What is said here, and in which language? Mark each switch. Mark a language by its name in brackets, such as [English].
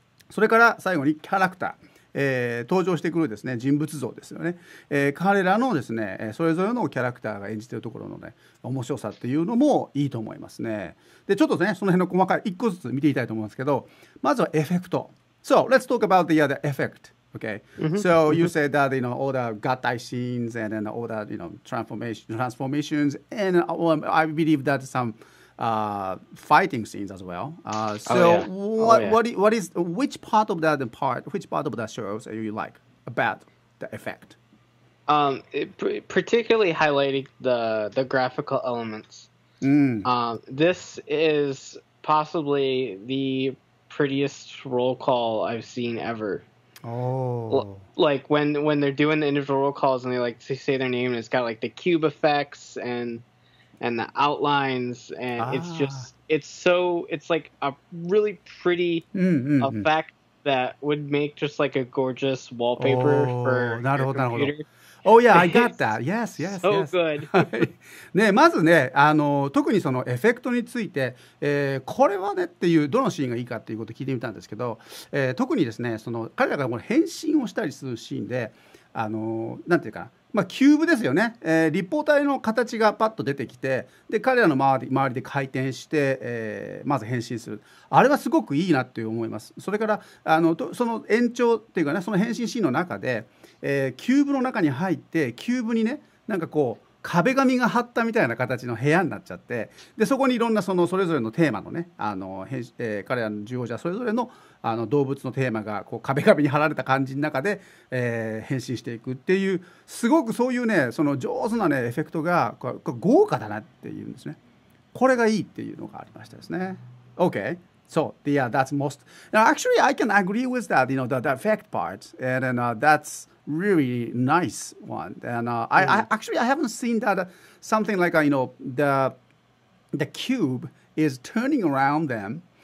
[Japanese] それから最後にキャラクター、登場してくるですね、人物像ですよね、彼らのですね、それぞれのキャラクターが演じているところのね、面白さっていうのもいいと思いますね。でちょっとね、その辺の細かい1個ずつ見ていきたいと思いますけど、まずはエフェクト。 [English] So let's talk about the effect, okay? Mm-hmm. So you said that, you know, all the Gattai scenes and then all the, you know, transformations, and I believe that some fighting scenes as well. Which part of the shows do you like about the effect? Particularly highlighting the graphical elements. Mm. This is possibly the prettiest roll call I've seen ever. Like when they're doing the individual roll calls and they like say their name, and it's got like the cube effects and and the outlines, and it's just, it's so, it's like a really pretty effect that would make just like a gorgeous wallpaper for your computer. Oh yeah, I got that. Yes, yes, so yes. So good. [Japanese] ね、まずね、特にそのエフェクトについて、これはねっていうどのシーンがいいかっていうことを聞いてみたんですけど、特にですね、その彼らがこの変身をしたりするシーンで、なんていうかな、まあ、キューブですよね、立方体の形がパッと出てきて、で彼らの周りで回転して、まず変身する、あれはすごくいいなっていう思います。それからその延長っていうかね、その変身シーンの中で、キューブの中に入って、キューブにね、なんかこう壁紙が貼ったみたいな形の部屋になっちゃって、でそこにいろんな それぞれのテーマのね、彼らの受講者それぞれ の動物のテーマがこう壁紙に貼られた感じの中で、変身していくっていう、すごくそういうね、その上手なねエフェクトが豪華だなっていうんですね。これがいいっていうのがありましたですね。 [English] OK、so yeah, that's most now, actually I can agree with that, you know, the effect part, and then that'sreally nice one. And I haven't seen that something like, you know, the cube is turning around them.